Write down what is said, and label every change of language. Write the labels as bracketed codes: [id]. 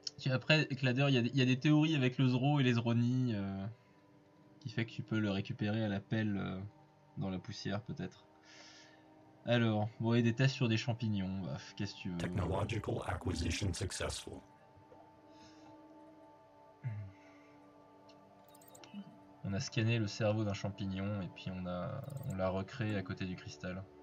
[fr] Après, Cladder, il y a des théories avec le Zoro et les Zronies qui fait que tu peux le récupérer à la pelle dans la poussière, peut-être. Alors, bon, et des tests sur des champignons, bof, qu'est-ce que tu veux? [en] Technological acquisition successful. [fr] On a scanné le cerveau d'un champignon et puis on l'a recréé à côté du cristal.